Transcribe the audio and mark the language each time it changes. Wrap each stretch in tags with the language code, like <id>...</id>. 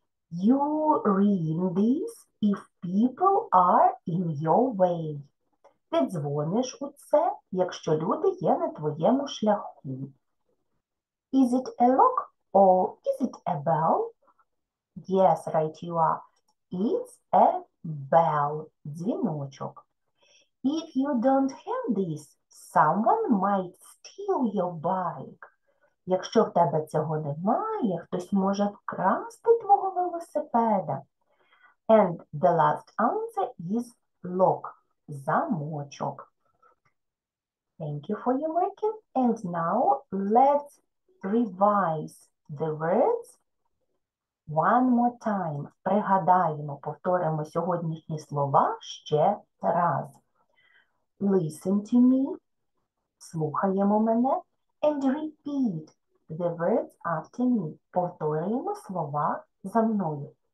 <en>You ring this if people are in your way.</en> <uk>Ти дзвониш у це, якщо люди є на твоєму шляху.</uk> <en>Is it a lock or is it a bell? Yes, right you are. It's a bell. Дзвіночок. If you don't have this, someone might steal your bike.</en> <uk>Якщо в тебе цього немає, хтось може вкрасти твого велосипеда.</uk> <en>And the last answer is lock. Замочок. Thank you for your working. And now let's revise the words one more time.</en> <uk>Пригадаємо, повторимо сьогоднішні слова ще раз.</uk> <en>Listen to me.</en> <uk>Слухаємо мене.</uk> <en>And repeat the words after me.</en> <uk>Повторюємо слова за мною.</uk>